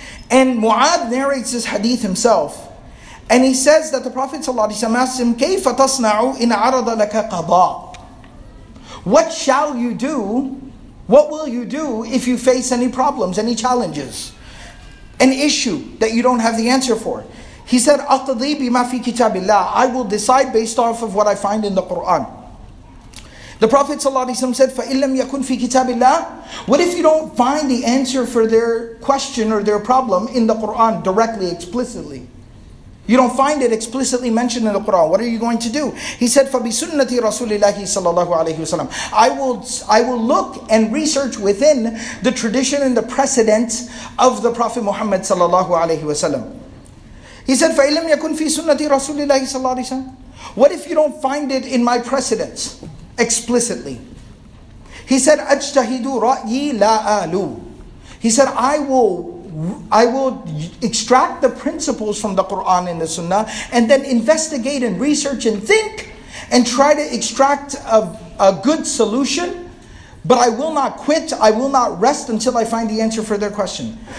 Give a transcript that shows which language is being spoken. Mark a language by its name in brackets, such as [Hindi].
[English] And Mu'ad narrates this hadith himself. And he says that the Prophet ﷺ asked him, [Arabic] كَيْفَ تَصْنَعُ إِنْ عَرَضَ لَكَ قَضَاءٌ. [English] What shall you do? What will you do if you face any problems, any challenges? An issue that you don't have the answer for? He said, [Arabic] أَقْضِي بِمَا فِي كِتَابِ اللَّهِ. [English] I will decide based off of what I find in the Qur'an. The Prophet ﷺ said, [Arabic] فَإِن لَمْ يَكُنْ فِي كِتَابِ اللَّهِ. [English] What if you don't find the answer for their question or their problem in the Qur'an directly, explicitly? You don't find it explicitly mentioned in the Qur'an. What are you going to do? He said, [Arabic] فَبِسُنَّةِ رَسُولِ اللَّهِ صَلَى اللَّهُ عَلَيْهِ وَسَلَمْ. [English] I will look and research within the tradition and the precedent of the Prophet Muhammad ﷺ. He said, [Arabic] فَإِن لَمْ يَكُنْ فِي سُنَّةِ رَسُولِ اللَّهِ صَلَى اللَّهُ عَلَيْهِ وَسَلَمْ. [English] What if you don't find it in my precedents? Explicitly. He said, [Arabic] أَجْتَهِدُ رَأْيِي لَا أَلُو. [English] He said, I will extract the principles from the Qur'an and the Sunnah and then investigate and research and think and try to extract a good solution, but I will not quit, I will not rest until I find the answer for their question.